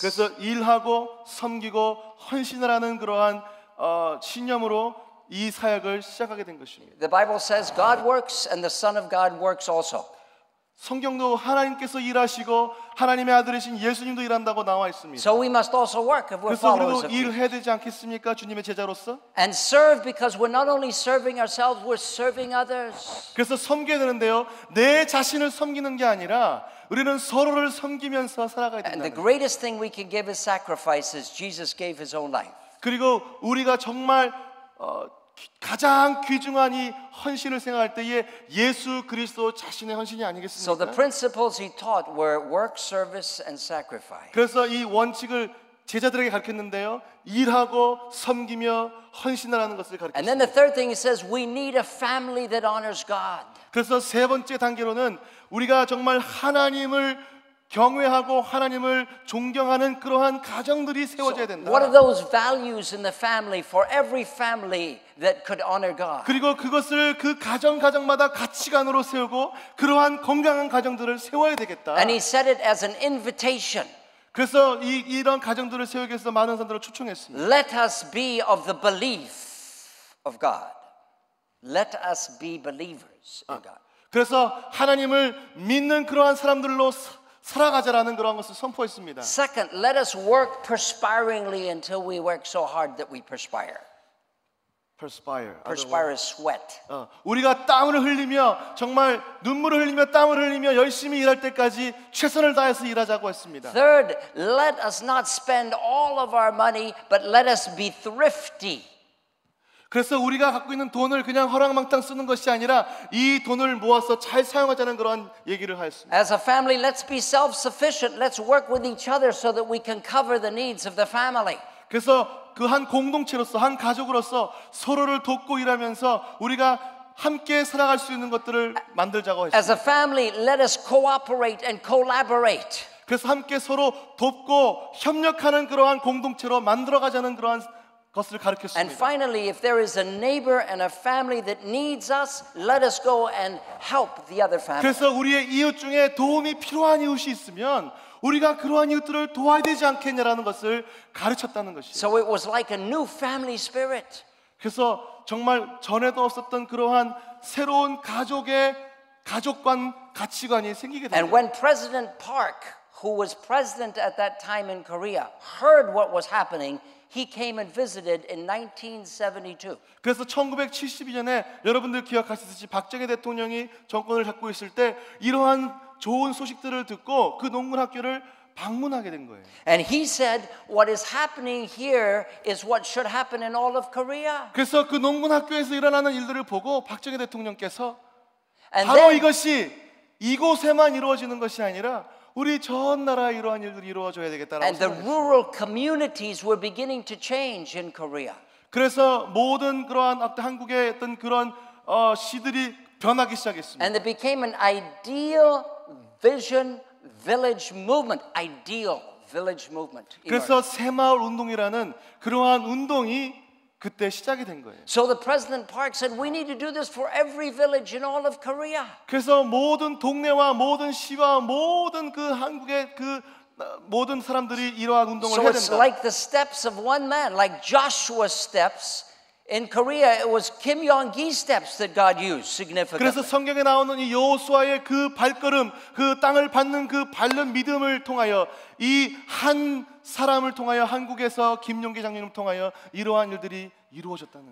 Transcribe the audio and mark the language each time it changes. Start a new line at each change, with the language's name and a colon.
Korean: 그래서 일하고 섬기고 헌신을 하는 그러한 신념으로 이 사역을 시작하게 된 것입니다.
English: The Bible says God works and the Son of God works also.
Korean: 성경도 하나님께서 일하시고 하나님의 아들이신 예수님도 일한다고 나와 있습니다.
English: So we must also work if we're followers of Jesus.
Korean: 그래서 우리도 일해야 되지 않겠습니까? 주님의 제자로서?
English: And serve because we're not only serving ourselves, we're serving others.
Korean: 그래서 섬겨야 되는데요. 내 자신을 섬기는 게 아니라 우리는 서로를 섬기면서 살아가야 된다.
English: And the greatest thing we can give is sacrifices. Jesus gave his own life.
Korean: 그리고 우리가 정말 가장 귀중한 이 헌신을 생각할 때에 예수 그리스도 자신의 헌신이 아니겠습니까?
English: So the principles he taught were work, service, and sacrifice.
Korean: 그래서 이 원칙을 제자들에게 가르쳤는데요. 일하고 섬기며 헌신하라는 것을 가르쳤습니다.
English: And then the third thing he says, we need a family that honors God.
Korean: 그래서 세 번째 단계로는 우리가 정말 하나님을 경외하고 하나님을 존경하는 그러한 가정들이 세워져야 된다.
English: What are those values in the family for every family that could honor God?
Korean: 그리고 그것을 그 가정 가정마다 가치관으로 세우고 그러한 건강한 가정들을 세워야 되겠다.
English: And he said it as an invitation.
Korean: 그래서 이런 가정들을 세우기 위해서 많은 사람들을 초청했습니다.
English: Let us be of the belief of God. Let us be believers in God.
Korean: 그래서 하나님을 믿는 그러한 사람들로 살아가자라는 그런 것을 선포했습니다.
English: Second, let us work perspiringly until we work so hard that we perspire. Perspire. Perspire is sweat.
Korean: 우리가 땀을 흘리며 정말 눈물을 흘리며 땀을 흘리며 열심히 일할 때까지 최선을 다해서 일하자고 했습니다.
English: Third, let us not spend all of our money, but let us be thrifty.
Korean: 그래서 우리가 갖고 있는 돈을 그냥 허랑망탕 쓰는 것이 아니라 이 돈을 모아서 잘 사용하자는 그런 얘기를 하였습니다.
English: As a family, let's be self-sufficient. Let's work with each other so that we can cover the needs of the family.
Korean: 그래서 그 한 공동체로서, 한 가족으로서 서로를 돕고 일하면서 우리가 함께 살아갈 수 있는 것들을 만들자고 했습니다.
English: As a family, let us cooperate and collaborate.
Korean: 그래서 함께 서로 돕고 협력하는 그러한 공동체로 만들어가자는 그러한
English: And finally, if there is a neighbor and a family that needs us, let us go and help the other family.
Korean: 그래서 우리의 이웃 중에 도움이 필요한 이웃이 있으면 우리가 그러한 이웃들을 도와야 되지 않겠냐라는 것을 가르쳤다는 것이.
English: So it was like a new family spirit.
Korean: 그래서 정말 전에도 없었던 그러한 새로운 가족의 가족관 가치관이 생기게 됩니다.
English: And when President Park, who was president at that time in Korea, heard what was happening. He came and visited in 1972.
Korean: 그래서 1972년에 여러분들 기억하시듯이 박정희 대통령이 정권을 잡고 있을 때 이러한 좋은 소식들을 듣고 그 농군 학교를 방문하게 된 거예요.
English: And he said what is happening here is what should happen in all of Korea.
Korean: 그래서 그 농군 학교에서 일어나는 일들을 보고 박정희 대통령께서 바로 이것이 이곳에만 이루어지는 것이 아니라 우리 전 나라에 이러한 일들이 이루어져야 되겠다라고
English: And the rural communities were beginning to change in Korea.
Korean: 그래서 모든 그러한 한국의 어떤 그런 시들이 변하기 시작했습니다.
English: And it became an ideal vision village movement. Ideal village movement.
Korean: 그래서 새마을 운동이라는 그러한 운동이 그때 시작이 된 거예요.
English: So the President Park said we need to do this for every village in all of Korea.
Korean: 그래서 모든 동네와 모든 시와 모든 그 한국의 그 모든 사람들이 이러한 운동을
English: so
Korean: 해야 된다.
English: So it's like the steps of one man, like Joshua's steps. In Korea it was Kim Yong-gi's steps that God used significantly.
Korean: 그래서 성경에 나오는 이 여호수아의 그 발걸음, 그 땅을 받는 그 바른 믿음을 통하여 이 한 사람을 통하여 한국에서 김용기 장님을 통하여 이러한 일들이 이루어졌다는 거예요.